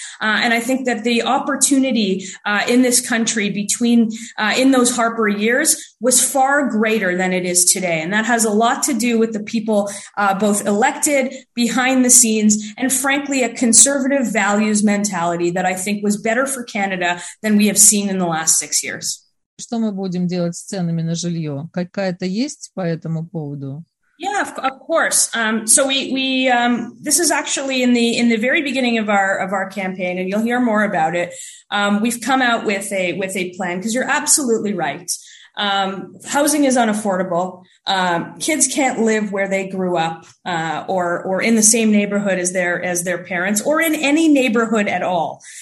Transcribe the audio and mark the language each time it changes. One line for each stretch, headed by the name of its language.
English: And I think that the opportunity in this country between in those Harper years was far greater than it is today. And that has a lot to do with the people both elected, behind the scenes, and frankly, a conservative values mentality that I think was better for Canada than we have seen in the last 6 years.
Russian: Что мы будем делать с ценами на жилье? Какая-то есть по этому поводу?
English: Yeah, of course. So we this is actually in the very beginning of our campaign, and you'll hear more about it. We've come out with a plan, because you're absolutely right. Housing is unaffordable. Kids can't live where they grew up, or in the same neighborhood as their parents, or in any neighborhood at all.